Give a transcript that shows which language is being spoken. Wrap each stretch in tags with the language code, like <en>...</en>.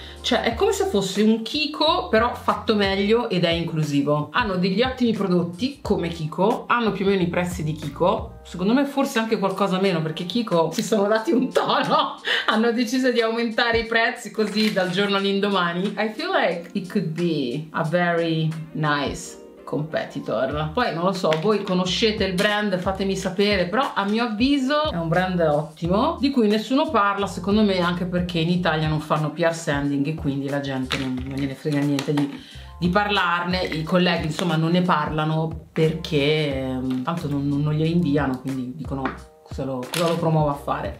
<it>Cioè, è come se fosse un Kiko, però fatto meglio ed è inclusivo. Hanno degli ottimi prodotti, come Kiko. Hanno più o meno i prezzi di Kiko. Secondo me forse anche qualcosa meno, perché Kiko si sono dati un tono. Hanno deciso di aumentare i prezzi così dal giorno all'indomani.</it> <en>I feel like it could be a very nice competitor.</en> <it>Poi non lo so, voi conoscete il brand, fatemi sapere, però a mio avviso è un brand ottimo di cui nessuno parla, secondo me anche perché in Italia non fanno PR sending e quindi la gente non gliene frega niente di parlarne, i colleghi insomma non ne parlano perché tanto non glieli inviano, quindi dicono cosa lo promuovo a fare.</it>